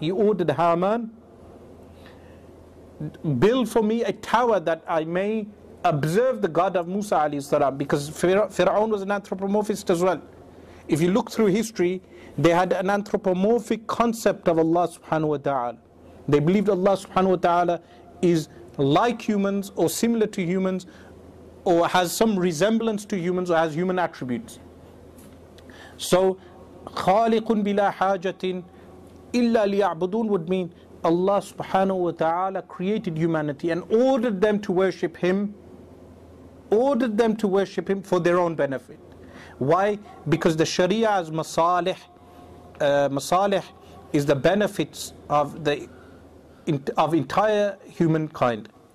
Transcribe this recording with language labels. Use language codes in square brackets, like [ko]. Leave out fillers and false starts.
[en] He ordered Haman, build for me a tower that I may observe the God of Musa alayhi salam, because Fir'aun was an anthropomorphist as well. If you look through history, they had an anthropomorphic concept of Allah subhanahu wa ta'ala. They believed Allah subhanahu wa ta'ala is like humans or similar to humans, or has some resemblance to humans, or has human attributes. So, [ar] خَالِقٌ بِلَا حَاجَةٍ إِلَّا لِيَعْبُدُونَ [en] would mean, Allah subhanahu wa ta'ala created humanity and ordered them to worship Him, ordered them to worship Him for their own benefit. Why? Because the Sharia is masalih. Masalih is the benefits of the entire humankind.